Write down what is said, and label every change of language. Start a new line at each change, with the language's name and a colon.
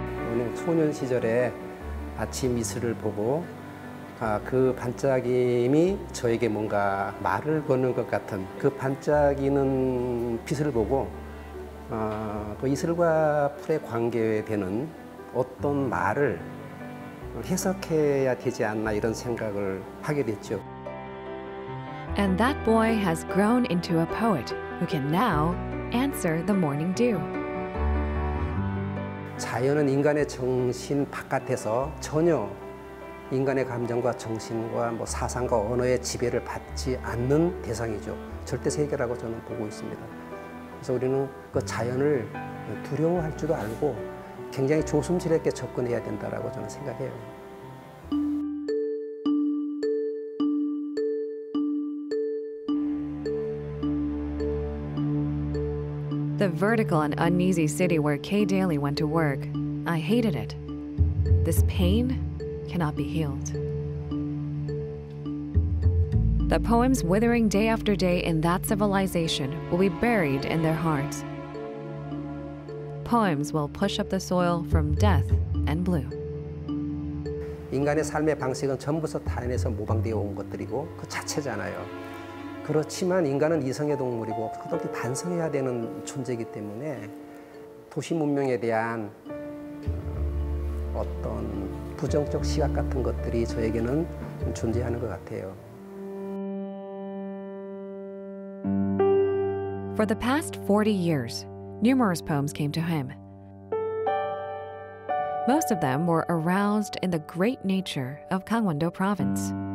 Korean: "오늘 소년 시절에 아침 이슬을 보고 그 반짝임이 저에게 뭔가 말을 거는 것 같은 그 반짝이는 빛을 보고 그 이슬과 풀의 관계에 대한 어떤 말을 해석해야 되지 않나 이런 생각을 하게 됐죠."
English: And that boy has grown into a poet who can now answer the morning dew.
Korean: 자연은 인간의 정신 바깥에서 전혀 인간의 감정과 정신과 뭐 사상과 언어의 지배를 받지 않는 대상이죠. 절대 세계라고 저는 보고 있습니다. 그래서 우리는 그 자연을 두려워할 줄도 알고 굉장히 조심스럽게 접근해야 된다라고 저는 생각해요.
English: "The vertical and uneasy city where Kay Daly went to work, I hated it. This pain cannot be healed. The poems withering day after day in that civilization will be buried in their hearts. Poems will push up the soil from death and blue."
Korean: 인간의 삶의 방식은 전부서 타인에서 모방되어 온 것들이고 그 자체잖아요. 그렇지만 인간은 이성의 동물이고 끝없이 반성해야 되는 존재이기 때문에 도시 문명에 대한 어떤 부정적 시각 같은 것들이 저에게는 존재하는 것 같아요.
English: For the past 40 years, numerous poems came to him. Most of them were aroused in the great nature of Gangwon-do province.